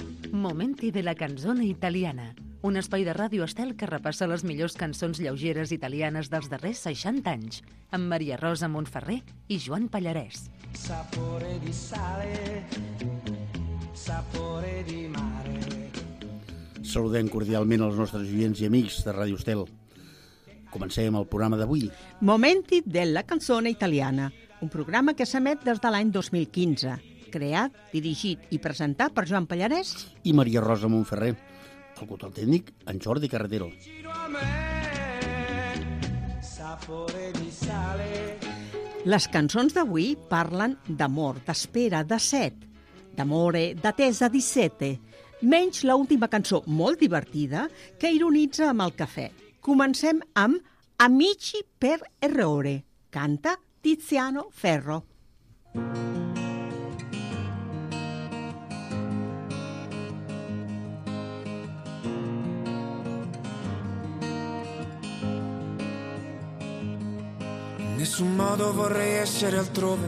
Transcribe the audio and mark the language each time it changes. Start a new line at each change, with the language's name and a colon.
Italian: Momenti della canzone italiana.
Catalan: Un espai de ràdio estel que repassa les millors cançons lleugeres italianes dels darrers 60 anys. Amb Maria Rosa Montferrer i Joan Pallarès.
Italian: Sapore di sale, sapore di mare.
Catalan: Saludem cordialment els nostres oients i amics de Ràdio Estel. Comencem el programa d'avui. Momenti della canzone italiana, un programa que s'emet des de l'any 2015, creat, dirigit i presentat per Joan Pallarès i Maria Rosa Montferrer, el control tècnic en Jordi Carretero. Les cançons d'avui parlen d'amor, d'espera, de set,
Italian: d'amore,
Catalan: d'atesa,
Italian: di sete,
Catalan: menys l'última cançó, molt divertida, que ironitza amb el cafè. Comencem amb Amici per errore. Canta Tiziano Ferro.
Italian: In nessun modo vorrei essere altrove.